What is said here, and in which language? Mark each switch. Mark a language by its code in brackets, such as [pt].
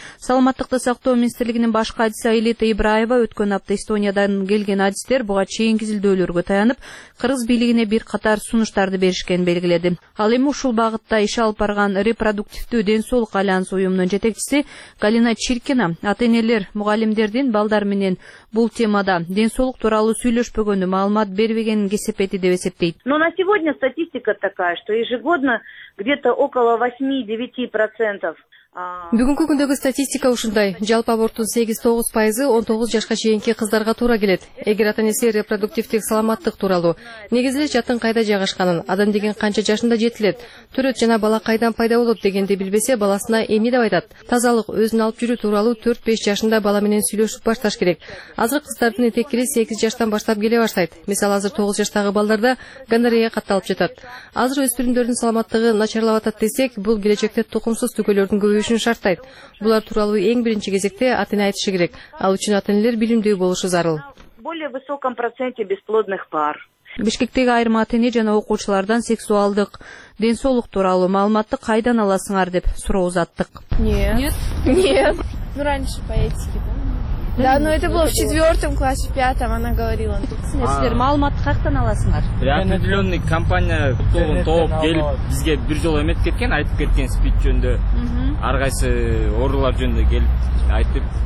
[ky] Саламаттыкты сактоо министрлигинин башкы адиси Айлита Ибраева өткөн апта Эстониядан келген адистер буга чейинки изилдөөлөргө таянып кыргыз бийлигине бир катар сунуштарды беришкенин белгиледи. Ал эми ушул багытта иш алып барган репродуктивдүү ден соолук альянсы уюмунун жетекчиси Галина Чиркина ата энелер мугалимдердин балдар менен бул темада ден соолук тууралуу сүйлөшпөгөнү маалымат бербегенин кесепети деп эсептейт. [ru] Но на сегодня статистика такая, что ежегодно где-то около 8-9% [ky] Бүгүнкү күндөгү статистика ушундай. Жалпы абортун 8-9% 19 жашка чейинки кыздарга туура келет. Эгер ата-энеси репродуктивдик саламаттык тууралуу, негизи эле жатын кайда жайгашканын, адам деген канча жашында жетилет, төрөт жана бала кайдан пайда болот дегенди билбесе баласына эмне деп айтат? Тазалык, өзүн алып жүрүү тууралуу 4-5 жашында бала менен сүйлөшүп башташ керек. Азыр кыздардын этеккири 8 жаштан баштап келе баштайт. Мисалы, азыр 9 жаштагы балдарда гонорея катталып жатат. Азыр өспүрүмдөрдүн саламаттыгы начарлап атат десек, бул келечекте тукумсуз түгөйлөрдүн көбөйүшү шарттайт. Булар тууралуу эң биринчи кезекте ата-эне айтышы керек. Ал үчүн ата-энелер билимдүү болушу зарыл. [ru] Более высоком проценте бесплодных пар. [ky] Бишкектеги айрым ата-эне жана окуучулардан сексуалдык ден соолук тууралуу маалыматты кайдан аласыңар деп суроо узаттык. [ru] Нет. Ну раньше по этике, да? Да, но это было в 4-м классе, в 5-м, она говорила. [ky] Силер, маалыматты кактан аласыңар? [ru] Определенный компания [ky] топ келип бизге бир жолу эметип кеткен, айтып кеткен спид жөнүндө. Ар кайсы оорулар жөнүндө келип айтып.